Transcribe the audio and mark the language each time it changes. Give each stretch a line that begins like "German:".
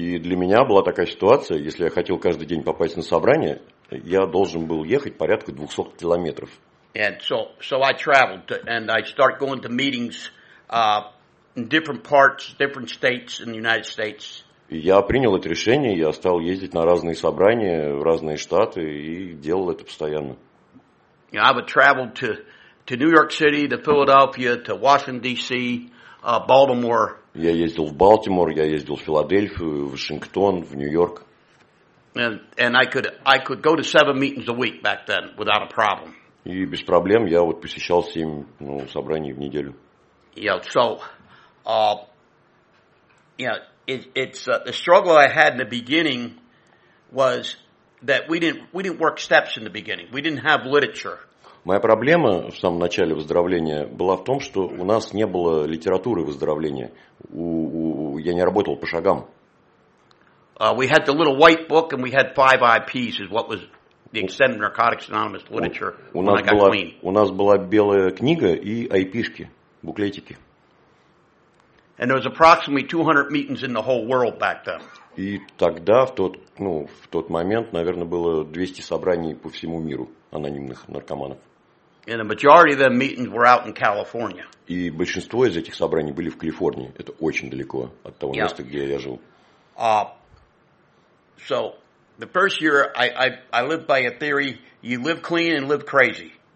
Russian: И для меня была такая ситуация, если я хотел каждый день попасть на собрание, я должен был ехать порядка 200 километров.
English: And so I traveled and I start going to meetings in different parts, different states in the United States.
Russian: Я принял это решение, я стал ездить на разные собрания, в разные штаты, и делал это постоянно.
English: You know, I would travel to New York City, to Philadelphia, to Washington, D.C., Baltimore.
Russian: Я ездил в Балтимор, я ездил в Филадельфию, в Вашингтон, в Нью-Йорк.
English: And I could go to 7 meetings a week back then without a problem.
Russian: И без проблем я вот посещал 7, ну, собраний в неделю.
English: Yeah, so, you know, it's the struggle I had in the beginning was that we didn't work steps in the beginning. We didn't have literature.
Russian: Моя проблема в самом начале выздоровления была в том, что у нас не было литературы выздоровления. Я не работал по шагам.
English: We had the little white book and we had 5 IPs is what was the extended narcotics anonymous literature.
Russian: У нас была белая книга и IP-шки, буклетики.
English: And there was approximately 200 meetings in the whole world back then.
Russian: И тогда, в тот момент, наверное, было 200 собраний по всему миру анонимных наркоманов.
English: And the majority of them meetings were out in California.
Russian: И большинство из этих собраний были в Калифорнии. Это очень далеко от того места, где я жил.
English: So the first year I lived by a theory: you live clean and live crazy.